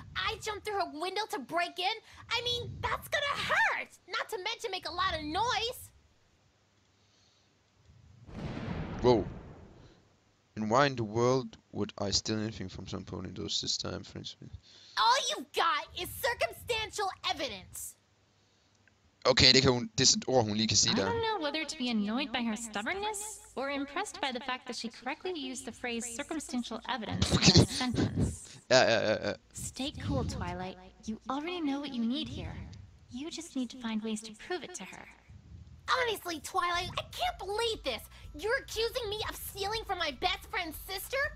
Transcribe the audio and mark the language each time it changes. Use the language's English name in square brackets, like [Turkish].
[English] I jumped through a window to break in? I mean, that's gonna hurt! Not to mention make a lot of noise! Whoa. And why in the world would I steal anything from some pony those this time, for instance? All you've got is circumstantial evidence! [Danish] Okay, det kan hun, det er et ord, hun lige kan sige der. [English] I don't know whether to be annoyed by her stubbornness, or impressed by the fact that she correctly used the phrase circumstantial evidence in a sentence. Yeah. Stay cool, Twilight. You already know what you need here. You just need to find ways to prove it to her. Honestly, Twilight, I can't believe this! You're accusing me of stealing from my best friend's sister?